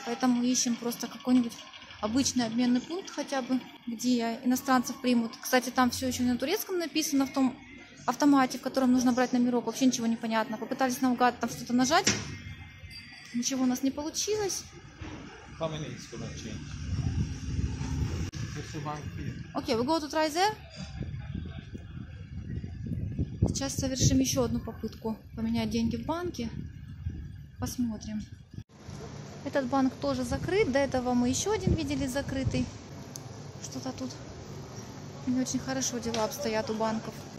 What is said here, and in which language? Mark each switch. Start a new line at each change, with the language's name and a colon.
Russian: Поэтому ищем просто какой-нибудь обычный обменный пункт хотя бы, где иностранцев примут. Кстати, там все еще на турецком написано, в том автомате, в котором нужно брать номерок. Вообще ничего не понятно. Попытались наугад там что-то нажать. Ничего у нас не получилось.
English: How many is gonna change? Окей, okay, we go to try there.
Russian: Сейчас совершим еще одну попытку поменять деньги в банке. Посмотрим. Этот банк тоже закрыт. До этого мы еще один видели закрытый. Что-то тут не очень хорошо дела обстоят у банков.